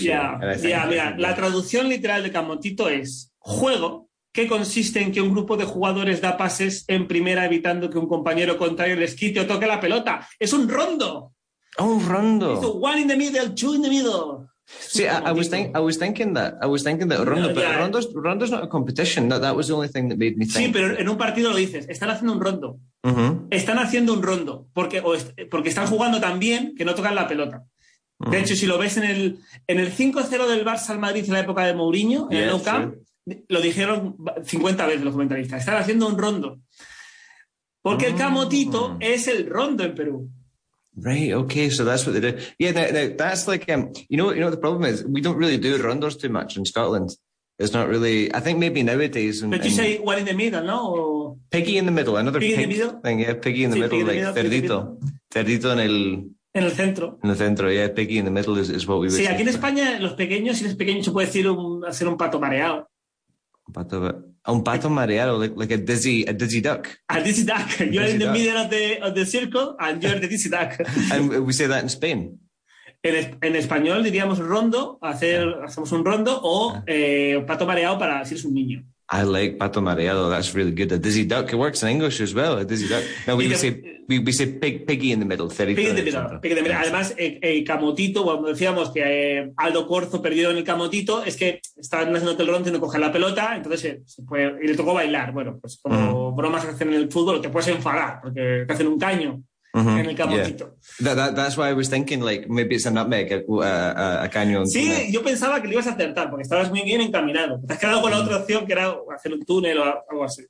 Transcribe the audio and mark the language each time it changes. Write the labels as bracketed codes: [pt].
[es] La traducción literal de camotito es juego que consiste en que un grupo de jugadores da pases en primera evitando que un compañero contrario les quite o toque la pelota. Es un rondo. [en] Oh, rondo. It's a one in the middle, two in the middle. See, I was thinking that rondo, but rondo's not a competition. That was the only thing that made me think. [es] Sí, pero en un partido lo dices, están haciendo un rondo. Uh-huh. Están haciendo un rondo, porque están jugando tan bien que no tocan la pelota. Uh-huh. De hecho, si lo ves en el 5-0 del Barça al Madrid en la época de Mourinho, en el Nou Camp, lo dijeron 50 veces los comentaristas, están haciendo un rondo. Porque el camotito es el rondo en Perú. [en] Right, okay, so that's what they do. Yeah, now that's like, you know what the problem is? We don't really do rondos too much in Scotland. It's not really, I think maybe nowadays. But you say one in the middle, no? Or... Piggy in the middle, another piggy pig in the middle thing. Yeah, piggy in the middle, like cerdito. [es] Cerdito en el... En el centro. En el centro, [en] yeah, piggy in the middle is what we would say. [es] Sí, aquí en España, los pequeños, si eres pequeño, se puede decir hacer un pato mareado. Un pato mareado, [en] like a dizzy duck. A dizzy duck. You're dizzy in the duck. Middle of the circle and you're the dizzy duck. And we say that in Spain. [es] En español diríamos rondo, hacemos un rondo o pato mareado para si eres un niño. [en] I like pato mareado. That's really good. A dizzy duck. It works in English as well. A dizzy duck. No, we say piggy in the middle. Piggy in the middle. [es] Además, el camotito, cuando decíamos que Aldo Corzo perdió en el camotito, es que estaba en la zona del ronce y no coge la pelota, entonces y le tocó bailar. Bueno, pues como bromas que hacen en el fútbol, te puedes enfadar porque te hacen un caño. [en] Yeah. That's why I was thinking, like, maybe it's a nutmeg, a canyon. [es] Sí, tunnel. Yo pensaba que lo ibas a acertar porque estabas muy bien encaminado. Te has quedado con la otra opción que era hacer un túnel o algo así.